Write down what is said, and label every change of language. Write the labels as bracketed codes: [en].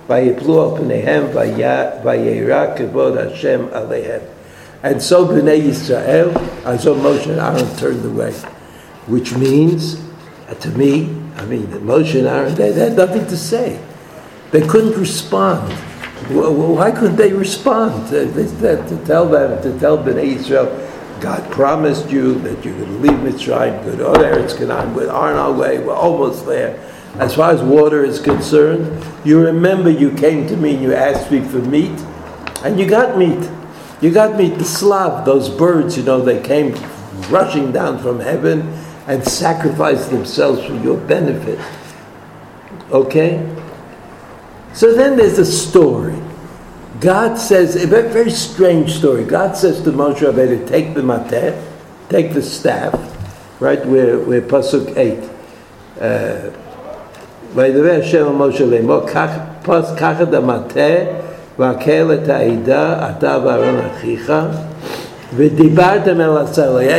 [he] ויפלו על פניהם ויירא כבוד השם עליהם. [en] And so B'nai Yisrael, as so Moshe and Aaron turned away. Which means, to me, I mean, Moshe and Aaron, they had nothing to say. They couldn't respond. Why couldn't they respond? To tell B'nai Yisrael, God promised you that you could leave Mitzrayim, good or Eretz Canaan, we're on our way, we're almost there. As far as water is concerned, you remember you came to me and you asked me for meat, and you got meat. You got meat, the slav, those birds, you know, they came rushing down from heaven and sacrificed themselves for your benefit. Okay? So then there's a story. God says, a very, very strange story. God says to Moshe Rabbeinu, take the matet, take the staff, right? We're Pasuk 8. [he] וידבר השם משה לאמור, קח את המטה והקהל את העדה, אתה ואהרן אחיך, ודיברתם אל הסלע.